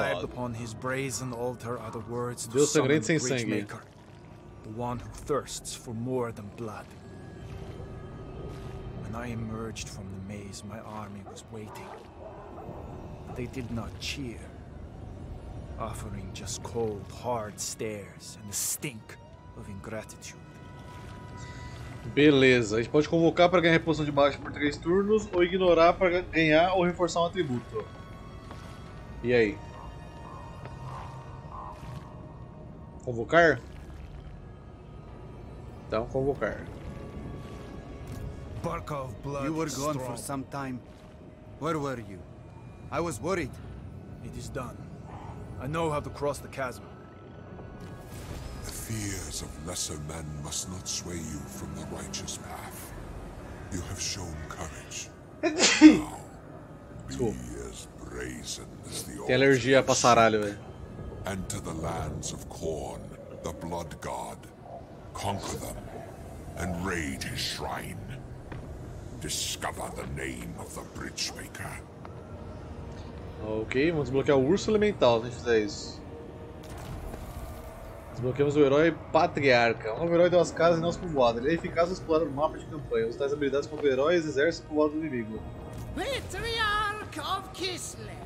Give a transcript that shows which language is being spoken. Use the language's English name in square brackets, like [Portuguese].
[English] Inscribed upon his brazen altar are the words to summon the Bridge Maker, the one who thirsts for more than blood. When I emerged from the maze, my army was waiting. But they did not cheer, offering just cold, hard stares and the stink of ingratitude. [Portuguese] Beleza, a gente pode convocar para ganhar reposição de baixa por 3 turnos ou ignorar para ganhar ou reforçar um atributo. E aí? Convocar? Então, convocar. [English] Bark of blood. You were gone for some time. Where were you? I was worried. It is done. I know how to cross the chasm. Fears of lesser men must not sway you from the righteous path. You have shown courage. Now, be as brazen as the old. [Portuguese] Tem alergia pra saralho, velho. [English] Enter the lands of Khorne, the Blood God. Conquer them and raid his shrine. Discover the name of the Bridgemaker. [Portuguese] Ok, vamos desbloquear o urso elemental se a gente fizer isso. Desbloqueamos o herói Patriarca. O herói deu as casas e não as povoadas. Ele é eficaz ao explorar o mapa de campanha. Usa tais habilidades contra heróis, exércitos e povoados do inimigo. Patriarca of Kislev.